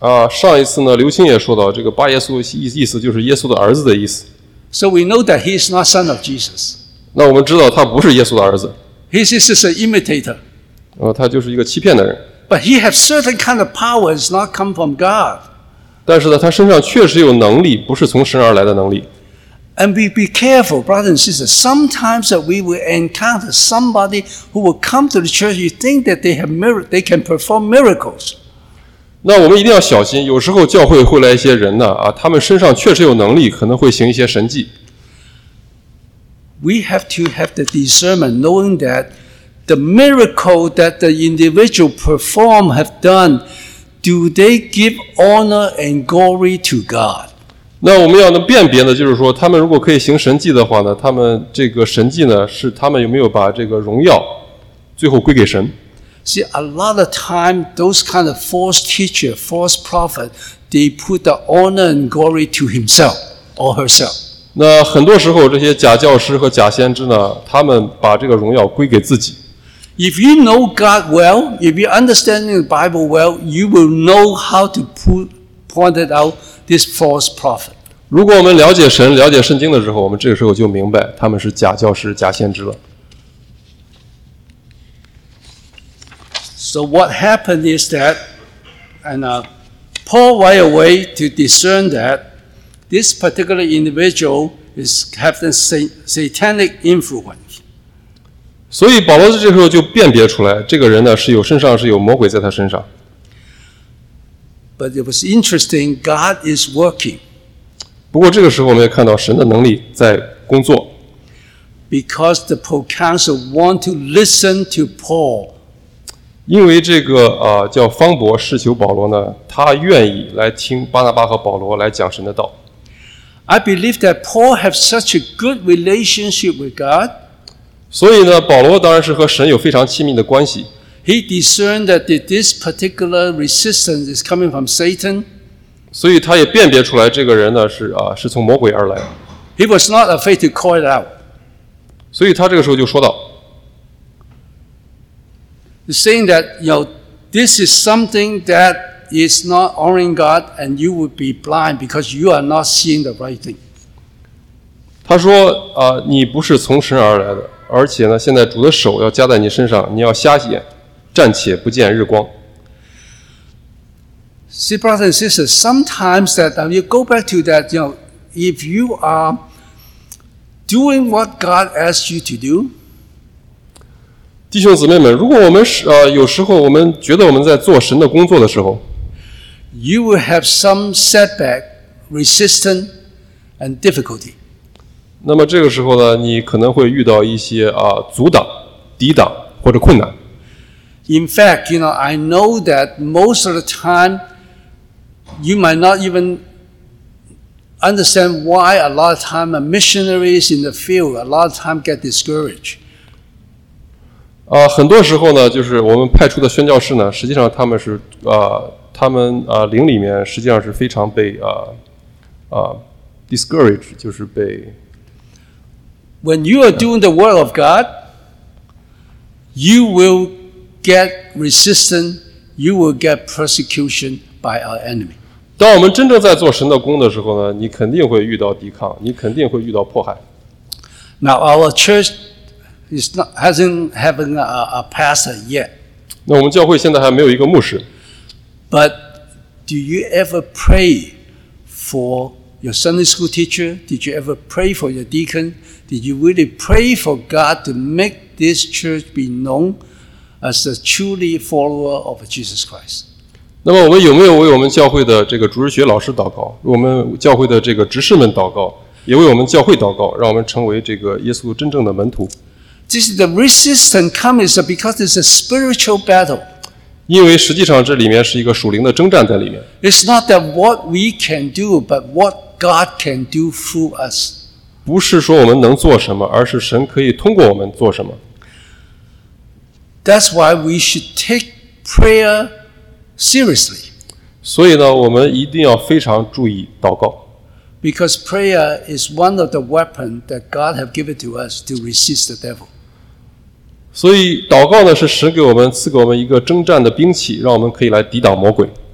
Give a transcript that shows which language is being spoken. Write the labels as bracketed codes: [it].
[zh] 上一次呢，刘青也说到这个巴耶稣意思就是耶稣的儿子的意思。 [en] So we know that he is not son of Jesus. [zh] 那我们知道他不是耶稣的儿子。 [en] He is just an imitator. [zh] 他就是一个欺骗的人。 [en] But he has certain kind of powers not come from God. [zh] 但是呢，他身上确实有能力，不是从神而来的能力。 [en] And we be careful, brothers and sisters. Sometimes that we will encounter somebody who will come to the church, you think that they can perform miracles. [zh] 那我们一定要小心，有时候教会会来一些人呢，他们身上确实有能力，可能会行一些神迹。 [en] We have to have the discernment, knowing that the miracle that the individual perform have done, do they give honor and glory to God? [zh] 那我们要能辨别呢，就是说，他们如果可以行神迹的话呢，他们这个神迹呢，是他们有没有把这个荣耀最后归给神？ [en] See, a lot of time, those kind of false teacher, false prophet, they put the honor and glory to himself or herself. [zh] 那很多时候，这些假教师和假先知呢，他们把这个荣耀归给自己。 [en] If you know God well, if you understand the Bible well, you will know how to point it out, this false prophet. [zh] 如果我们了解神，了解圣经的时候，我们这个时候就明白他们是假教师、假先知了。 [en] So what happened is that, and Paul right away to discern that this particular individual is having satanic influence. [zh] 所以保罗在这时候就辨别出来，这个人呢是有身上是有魔鬼在他身上。 [en] But it was interesting. God is working. [zh] 不过这个时候我们也看到神的能力在工作。 [en] Because the proconsul want to listen to Paul. [zh] 因为这个叫方伯侍求保罗呢，他愿意来听巴拿巴和保罗来讲神的道。 [en] I believe that Paul have such a good relationship with God. [zh] 所以呢，保罗当然是和神有非常亲密的关系。 [en] He discerned that this particular resistance is coming from Satan. [zh] 所以他也辨别出来这个人呢是从魔鬼而来。 [en] He was not afraid to call it out. [zh] 所以他这个时候就说道。 [en] Saying that, you know, this is something that is not honoring God, and you would be blind because you are not seeing the right thing. [zh] 他说，你不是从神而来的，而且呢，现在主的手要加在你身上，你要瞎眼，暂且不见日光。 [en] See, brothers and sisters, sometimes that you go back to that, you know, if you are doing what God asks you to do. [zh] 弟兄姊妹们，如果我们有时候我们觉得我们在做神的工作的时候 [en] ，You will have some setback, resistance, and difficulty. [zh] 那么这个时候呢，你可能会遇到一些阻挡、抵挡或者困难。 [en] In fact, you know, I know that most of the time, you might not even understand why a lot of time a missionaries in the field a lot of time get discouraged. [zh] 很多时候呢，就是我们派出的宣教士呢，实际上他们是他们灵里面实际上是非常被discouraged， 就是被。 [en] When you are doing the word of God, you will get resistance, you will get persecution by our enemy. [zh] 当我们真正在做神的工的时候呢，你肯定会遇到抵抗，你肯定会遇到迫害。 [en] Now our church is not hasn't having a pastor yet. [zh] 那我们教会现在还没有一个牧师。 [en] But do you ever pray for your Sunday school teacher? Did you ever pray for your deacon? Did you really pray for God to make this church be known as a truly follower of Jesus Christ? [zh] 那么我们有没有为我们教会的这个主日学老师祷告？我们教会的这个执事们祷告，也为我们教会祷告，让我们成为这个耶稣真正的门徒。 [en] This is the resistance comes because it's a spiritual battle. [zh] 因为实际上这里面是一个属灵的征战在里面。 [en] It's not that what we can do, but what God can do through us. [zh] 不是说我们能做什么，而是神可以通过我们做什么。 [en] That's why we should take prayer seriously. [zh] 所以呢，我们一定要非常注意祷告。 [en] Because prayer is one of the weapons that God has given to us to resist the devil. [zh] 所以祷告呢，是神给我们赐给我们一个征战的兵器，让我们可以来抵挡魔鬼。